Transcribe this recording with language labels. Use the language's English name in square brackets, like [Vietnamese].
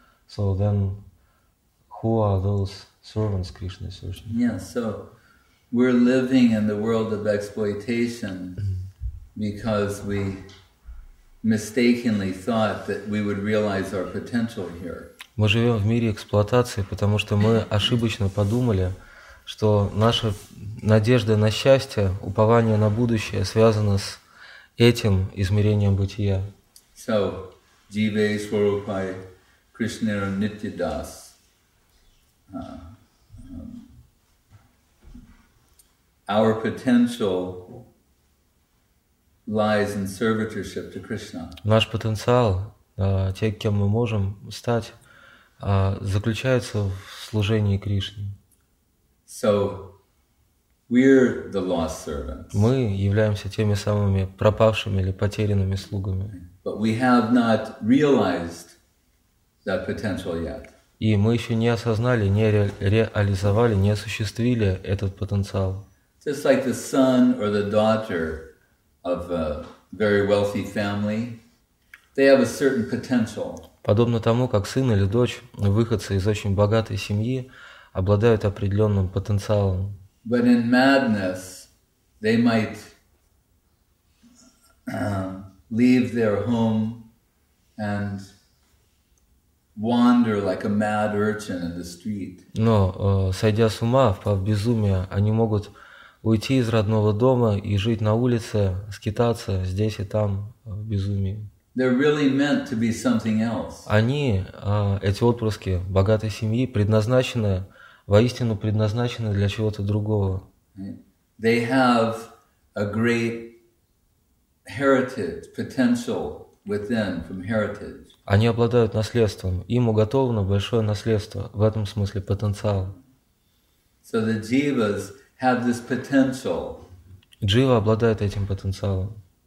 [English] So then, who are those servants Krishna is searching for? Yeah, so we're living in the world of exploitation because we mistakenly thought that we would realize our potential here. Мы живем в мире эксплуатации, потому что мы ошибочно подумали, что наша надежда на счастье, упование на будущее связано с этим измерением бытия. So, [Bangla] Jiva Swarupai Krishna Nityadas. [English] Our potential lies in servitorship to Krishna. [Russian] Наш потенциал, тем, кем мы можем стать, заключается в служении Кришне. [English] So, we're the lost servants. [Russian] Мы являемся теми самыми пропавшими или потерянными слугами. [English] But we have not realized that potential yet. [Russian] И мы еще не осознали, не реализовали, не осуществили этот потенциал. [English] Just like the son or the daughter of a very wealthy family, they have a certain potential. [Russian] Подобно тому, как сын или дочь, выходцы из очень богатой семьи, обладают определенным потенциалом. [English] But in madness, they might leave their home and wander like a mad urchin in the street. [Russian] Но, сойдя с ума, впав в безумие, они могут уйти из родного дома и жить на улице, скитаться здесь и там в безумии. [English] They're really meant to be something else. [Russian] Они, эти отпрыски богатой семьи, предназначены, воистину предназначены для чего-то другого. [English] They have a great heritage, potential within from heritage. [Russian] Они обладают наследством. Им уготовано большое наследство, в этом смысле потенциал. [English] So the jivas have this potential. [Russian] Джива обладает этим потенциалом.